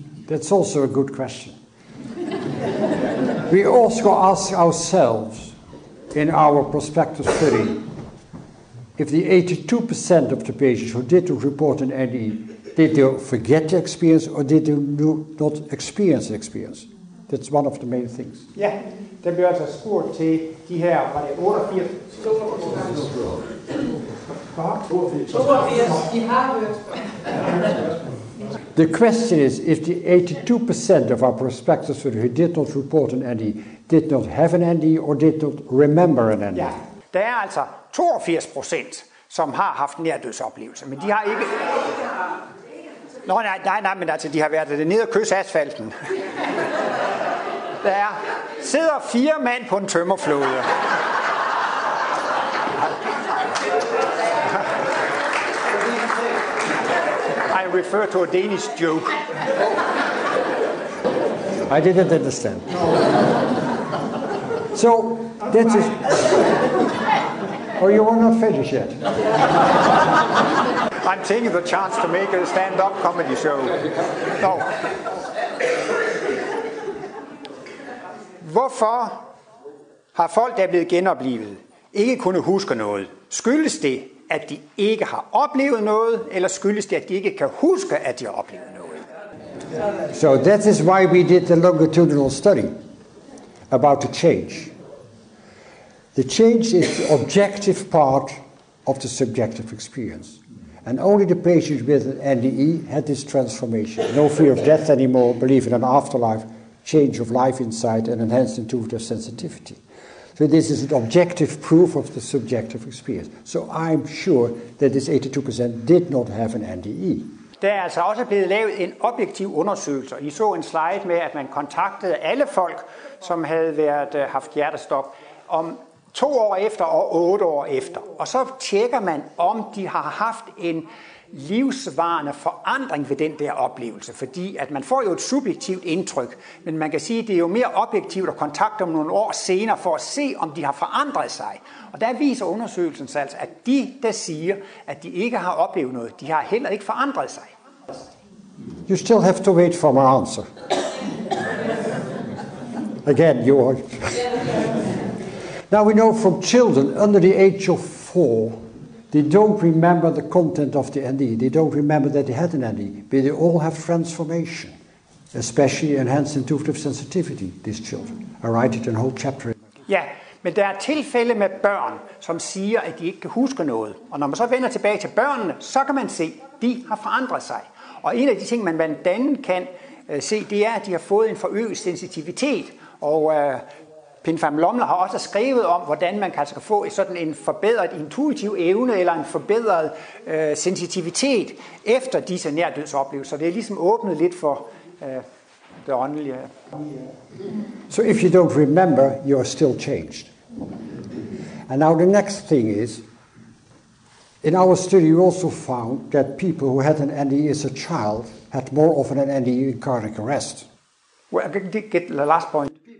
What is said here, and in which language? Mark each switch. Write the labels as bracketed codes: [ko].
[en] That's also a good question. We also ask ourselves in our prospective study, if the 82% of the patients who did report an NE Did they forget the experience, or did they not experience the experience? That's one of the main things. [da] Yeah, der bliver altså spurgt til de her, var det 88? 82, de har hørt. [en] The question is, if the 82% of our prospectus who did not report an ND, did not have an ND, or did not remember an ND? [da] Ja, der er altså 82%, som har haft nærdødsoplevelse, men de har ikke... Nå, nej, men altså, de har været nede og kysse asfalten. Der sidder fire mand på en tømmerflåde. [en] I refer to a Danish joke. I didn't understand. So, that's it. Oh, you are not finished yet. I'm taking the chance to make a stand-up comedy show. No. [da] Hvorfor har folk, der er blevet genoplivet, ikke kunnet huske noget? Skyldes det, at de ikke har oplevet noget, eller skyldes det, at de ikke kan huske, at de har oplevet noget? [en] So that is why we did the longitudinal study about the change. The change is the objective part of the subjective experience. And only the patients with an NDE had this transformation. No fear of death anymore, belief in an afterlife, change of life insight, and enhanced intuitive sensitivity. So this is an objective proof of the subjective experience. So I'm sure that this 82% did not have an NDE. [da] Der er altså også blevet lavet en objektiv undersøgelse. I så en slide med, at man kontaktede alle folk, som havde været haft hjertestop, om 2 år efter og 8 år efter. Og så tjekker man, om de har haft en livsvarende forandring ved den der oplevelse. Fordi at man får jo et subjektivt indtryk, men man kan sige, at det er jo mere objektivt at kontakte dem nogle år senere for at se, om de har forandret sig. Og der viser undersøgelsen sig altså, at de, der siger, at de ikke har oplevet noget, de har heller ikke forandret sig. [en] You still have to wait for my answer. Again, you are... Now we know from children under the age of 4, they don't remember the content of the NDE. They don't remember that they had an NDE, but they all have transformation, especially enhanced intuitive sensitivity, these children. I write it in a whole chapter. [da] Ja, men der er tilfælde med børn, som siger, at de ikke kan huske noget. Og når man så vender tilbage til børnene, så kan man se, de har forandret sig. Og en af de ting, man blandt andet kan se, det er, at de har fået en forøget sensitivitet. Og Pinfam Lomler har også skrevet om, hvordan man kan få sådan en forbedret intuitiv evne eller en forbedret sensitivitet efter disse nærdødsoplevelser. Så det er ligesom åbnet lidt for det åndelige. [en] So if you don't remember, you are still changed. And now the next thing is, in our study we also found that people who had an NDE as a child had more often an NDE in cardiac arrest. Well, I did get the last point.